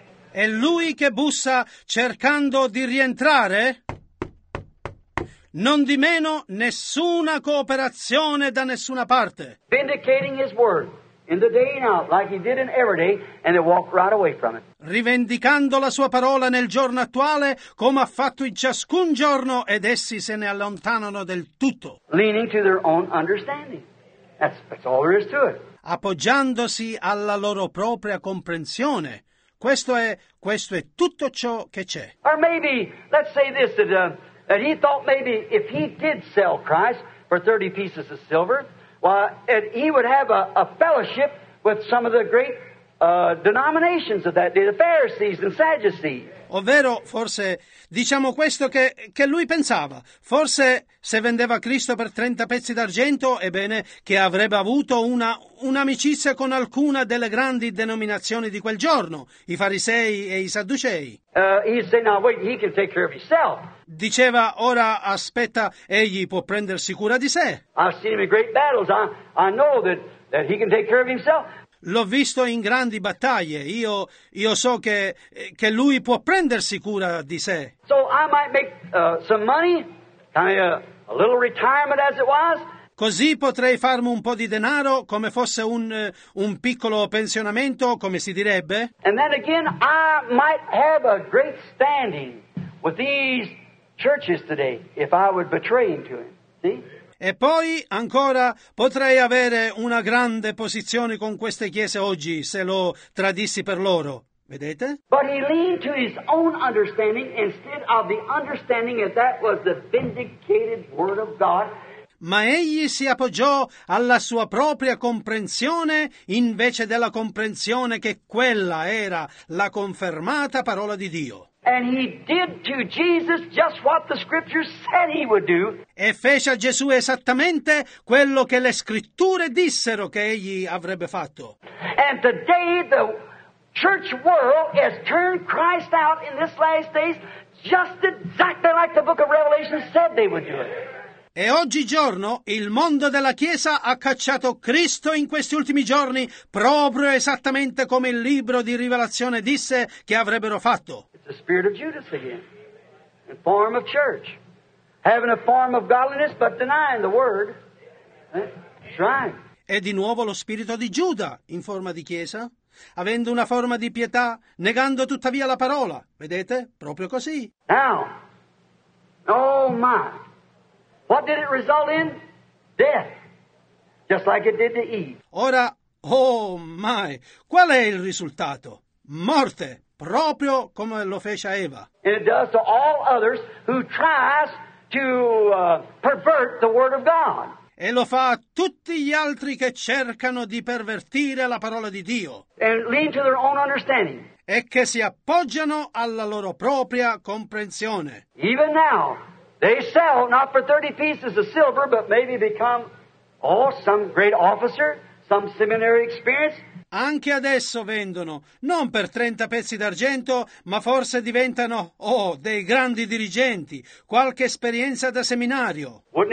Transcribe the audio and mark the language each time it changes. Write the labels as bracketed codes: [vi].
[it] È lui che bussa cercando di rientrare? Non di meno nessuna cooperazione da nessuna parte. [en] Vindicating his word in the day and out like he did in every day and they walk right away from it. [it] Rivendicando la sua parola nel giorno attuale come ha fatto in ciascun giorno ed essi se ne allontanano del tutto. [en] Leaning to their own understanding. That's all there is to it. [it] Appoggiandosi alla loro propria comprensione. Questo è tutto ciò che c'è. [en] Or maybe, let's say this, that he thought maybe if he did sell Christ for 30 pieces of silver, why, and he would have a fellowship with some of the great denominations of that day, the Pharisees and Sadducees. [it] Ovvero, forse, diciamo questo che lui pensava. Forse, se vendeva Cristo per 30 pezzi d'argento, ebbene, che avrebbe avuto un'amicizia con alcuna delle grandi denominazioni di quel giorno, i farisei e i sadducei. [en] He can take care of himself. [it] Diceva, ora, aspetta, egli può prendersi cura di sé. [en] I've seen him in great battles. I know that he can take care of himself. [it] L'ho visto in grandi battaglie. Io so che lui può prendersi cura di sé. [en] So I might make some money, kind of a little retirement as it was. [it] Così potrei farmi un po' di denaro, come fosse un piccolo pensionamento, come si direbbe. [en] And then again, I might have a great standing with these churches today if I would betray him to him. See? [it] E poi, ancora, potrei avere una grande posizione con queste chiese oggi, se lo tradissi per loro. Vedete? [en] But he leaned to his own understanding instead of the understanding that that was the vindicated word of God. [it] Ma egli si appoggiò alla sua propria comprensione invece della comprensione che quella era la confermata parola di Dio. [en] And he did to Jesus just what the scriptures said he would do. [it] E fece a Gesù esattamente quello che le scritture dissero che egli avrebbe fatto. [en] And today the church world has turned Christ out in this last days just exactly like the book of Revelation said they would do it. [it] E oggigiorno il mondo della Chiesa ha cacciato Cristo in questi ultimi giorni proprio esattamente come il libro di Rivelazione disse che avrebbero fatto. [en] The spirit of Judas again, in form of church, having a form of godliness but denying the word. That's right. [it] E di nuovo lo spirito di Giuda in forma di chiesa, avendo una forma di pietà, negando tuttavia la parola. Vedete? Proprio così. [en] Now, oh my, what did it result in? Death, just like it did to Eve. [it] Ora, [en] oh my, [it] qual è il risultato? Morte. Proprio come lo fece a Eva. [en] And it does to all others who tries to pervert the word of God. [it] E lo fa a tutti gli altri che cercano di pervertire la parola di Dio. [en] And lean to their own understanding. [it] E che si appoggiano alla loro propria comprensione. [en] Even now, they sell not for 30 pieces of silver, but maybe become, oh, some great officer, some seminary experience. [it] Anche adesso vendono, non per 30 pezzi d'argento, ma forse diventano, oh, dei grandi dirigenti, qualche esperienza da seminario.